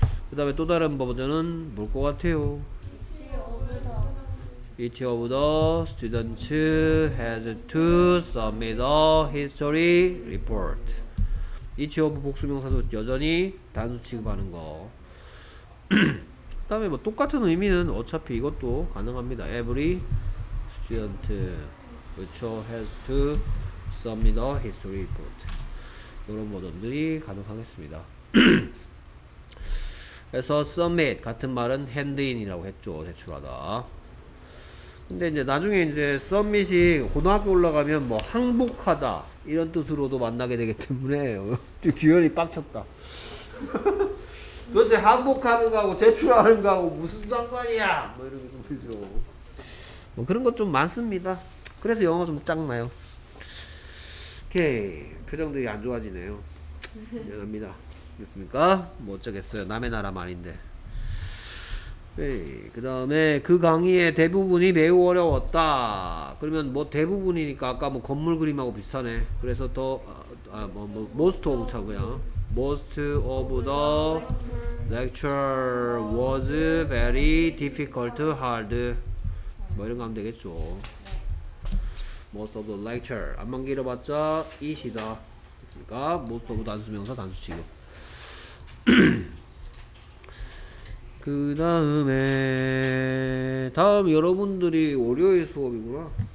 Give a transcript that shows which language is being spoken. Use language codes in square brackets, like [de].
[ko] 그 다음에 또 다른 버전은 뭘 것 같아요? [en] Each of the students has to submit a history report. [ko] Each of 복수명사도 여전히 단수 취급하는 거. 그다음에 뭐 똑같은 의미는 어차피 이것도 가능합니다. [en] Every student which has to submit a history report. [ko] 이런 버전들이 가능하겠습니다. 그래서 submit 같은 말은 hand-in이라고 했죠. 제출하다. 근데 이제 나중에 이제 submit이 고등학교 올라가면 뭐 항복하다 이런 뜻으로도 만나게 되기 때문에 규현이 빡쳤다. 도대체 항복하는 거하고 제출하는 거하고 무슨 상관이야? 뭐 이런 게 좀 들죠. 뭐 그런 것 좀 많습니다. 그래서 영어 좀 짱나요. 오케이. 표정들이 안 좋아지네요. 미안합니다. 됐습니까? 뭐 어쩌겠어요. 남의 나라 말인데. 네, 그 다음에 그 강의의 대부분이 매우 어려웠다. 그러면 뭐 대부분이니까 아까 뭐 건물 그림하고 비슷하네. 그래서 더 most of 차고요. [en] Most of the lecture was very difficult, hard. [ko] 뭐 이런 거 하면 되겠죠. Most of the lecture. 안만 길어봤자 it이다. 그러니까 most of 단수명사 단수치급. 그 다음에 다음 여러분들이 월요일 수업이구나.